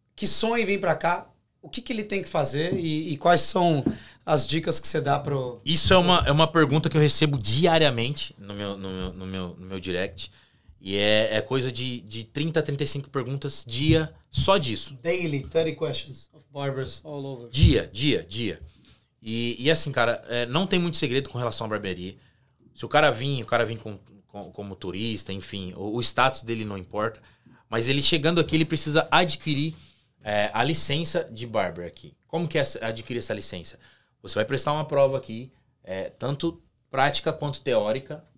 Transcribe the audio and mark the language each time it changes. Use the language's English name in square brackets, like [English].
[Portuguese] Que sonho em vir para cá? O que, que ele tem que fazer e quais são as dicas que você dá pro... Isso é uma pergunta que eu recebo diariamente no meu direct. E é coisa de 30 a 35 perguntas dia só disso. [English] Daily, 30 questions of barbers all over. [Portuguese] Dia. E assim, cara, não tem muito segredo com relação à barbearia. Se o cara vir como turista, enfim, o status dele não importa. Mas ele chegando aqui, ele precisa adquirir a licença de barber aqui. Como que é adquirir essa licença? Você vai prestar uma prova aqui, tanto prática quanto teórica.